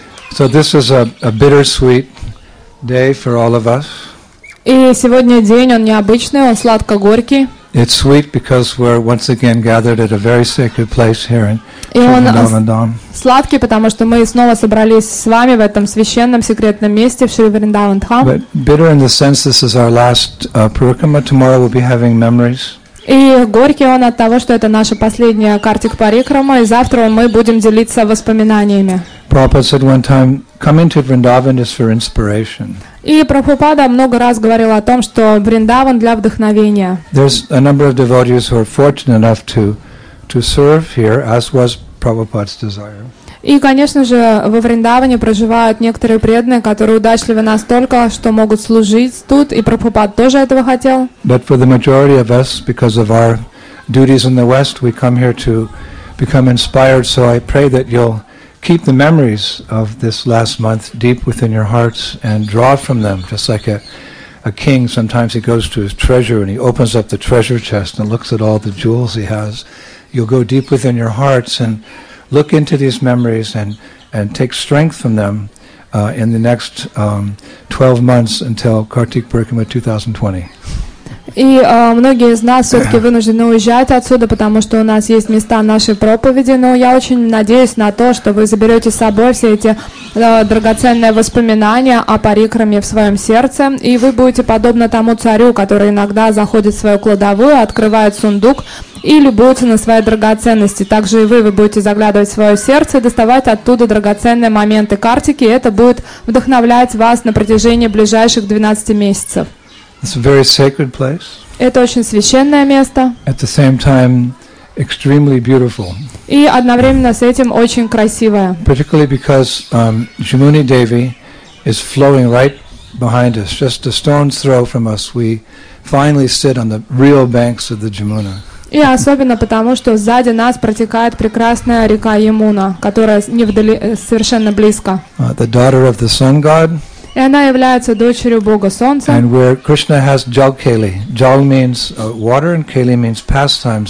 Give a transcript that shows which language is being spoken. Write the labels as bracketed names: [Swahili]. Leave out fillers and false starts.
[English] So this is a bittersweet day for all of us. [Russian] И сегодня день, он необычный, он сладко-горький. [English] It's sweet because we're once again gathered at a very sacred place here in Vrindavan. [Russian] Сладкий, потому что мы снова собрались с вами в этом священном секретном месте в Шри Вриндаван Дхам. [English] But bitter in the sense this is our last Purukama. Tomorrow we'll be having memories. [Russian] И горький он от того, что это наша последняя Картик Парикрама, и завтра мы будем делиться воспоминаниями. [English] Prabhupada said one time, coming to Vrindavan is for inspiration. [Russian] И Прабхупада много раз говорил о том, что Вриндаван для вдохновения. [English] There's a number of devotees who are fortunate enough to serve here, as was Prabhupada's desire. [Russian] И, конечно же, во Вриндаване проживают некоторые преданные, которые удачливы настолько, что могут служить тут, и Прабхупад тоже этого хотел. [English] But for the majority of us, because of our duties in the West, we come here to become inspired. So I pray that you'll keep the memories of this last month deep within your hearts and draw from them, just like a king. Sometimes he goes to his treasure and he opens up the treasure chest and looks at all the jewels he has. You'll go deep within your hearts and look into these memories and take strength from them in the next 12 months until Kartik Parikrama 2020. [Russian] И многие из нас все-таки вынуждены уезжать отсюда, потому что у нас есть места нашей проповеди, но я очень надеюсь на то, что вы заберете с собой все эти драгоценные воспоминания о парикраме в своем сердце, и вы будете подобно тому царю, который иногда заходит в свою кладовую, открывает сундук и любуется на свои драгоценности. Также и вы будете заглядывать в свое сердце и доставать оттуда драгоценные моменты картики, и это будет вдохновлять вас на протяжении ближайших 12 месяцев. [English] It's a very sacred place. [Russian] Это очень священное место. [English] At the same time, extremely beautiful. [Russian] И одновременно с этим очень красивое. [English] Particularly because Jamuni Devi is flowing right behind us, just a stone's throw from us. We finally sit on the real banks of the Jamuna. [Russian] И особенно потому, что сзади нас протекает прекрасная река Ямуна, которая не вдали, совершенно близко. [English] The daughter of the sun god. [Russian] И она является дочерью Бога Солнца. [English] And where Krishna has Jalkeli. Jal means water and Keli means pastimes.